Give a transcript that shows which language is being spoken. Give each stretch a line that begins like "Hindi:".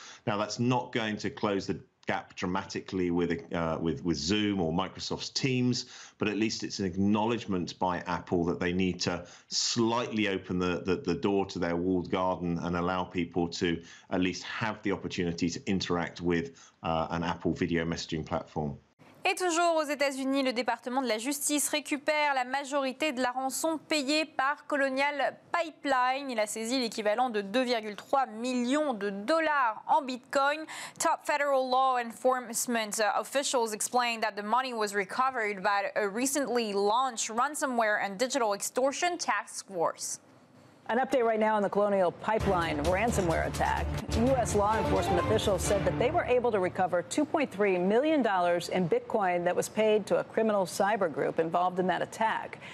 English: Now, that's not going to close the gap dramatically with Zoom or Microsoft's Teams, but at least it's an acknowledgement by Apple that they need to slightly open the door to their walled garden and allow people to at least have the opportunity to interact with an Apple video messaging platform.
French: Et toujours aux États-Unis, le département de la justice récupère la majorité de la rançon payée par Colonial Pipeline. Il a saisi l'équivalent de 2,3 millions de dollars en Bitcoin.
English: Top federal law enforcement officials explained that the money was recovered by a recently launched ransomware and digital extortion task force. An update right now on the Colonial Pipeline ransomware attack. U.S. law enforcement officials said that they were able to recover $2.3 million in Bitcoin that was paid to a criminal cyber group involved in that attack.